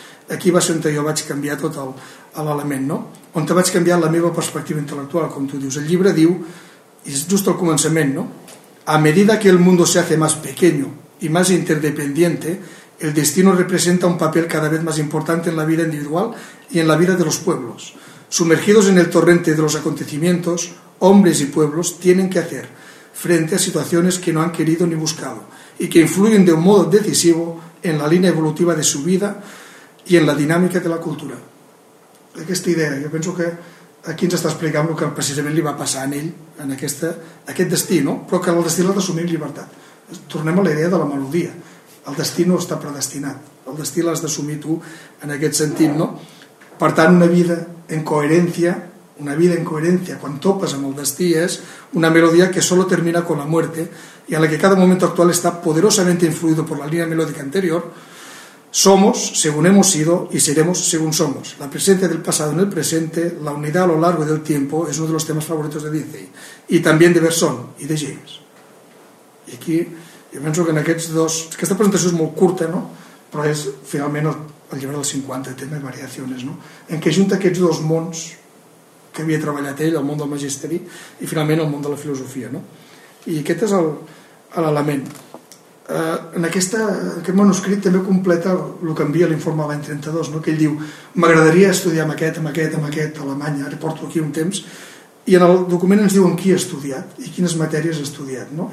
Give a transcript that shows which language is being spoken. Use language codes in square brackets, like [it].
[ca] Aquí va ser on jo vaig canviar tot l'element, no? On vaig canviar la meva perspectiva intel·lectual, com tu dius. El llibre diu, i és just al començament, no? [es] A medida que el mundo se hace más pequeño y más interdependiente, el destino representa un papel cada vez más importante en la vida individual y en la vida de los pueblos. Sumergidos en el torrente de los acontecimientos, hombres y pueblos tienen que hacer frente a situaciones que no han querido ni buscado y que influyen de un modo decisivo en la línea evolutiva de su vida y en la dinámica de la cultura. [ca] Aquesta idea, jo penso que aquí ens està explicant el que precisament li va passar a ell en aquest destí, no? Però que el destí l'ha d'assumir amb llibertat. Tornem a la idea de la melodia. El destí no està predestinat. El destí l'has d'assumir tu en aquest sentit, no? Per tant, una vida en coherència, quan topes amb el destí, és una melodia que [es] solo termina con la muerte y en la que cada momento actual está poderosamente influido por la línea melódica anterior. Somos según hemos sido y seremos según somos. La presencia del pasado en el presente, la unidad a lo largo del tiempo, es uno de los temas favoritos de Dilcene y también de Bergson y de James. Y aquí, yo pienso que en [ca] aquests dos... Aquesta presentació és molt curta, no? Però és, finalment, el llibre dels 50, tema de variacions, no? En què junta aquests dos mons que havia treballat ell, el món del magisteri i finalment el món de la filosofia, no? I aquest és l'element. En aquest manuscrit també completa el que envia l'informe l'any 32, no? Que ell diu, m'agradaria estudiar amb aquest, a Alemanya, ara porto aquí un temps, i en el document ens diuen qui ha estudiat i quines matèries ha estudiat, no?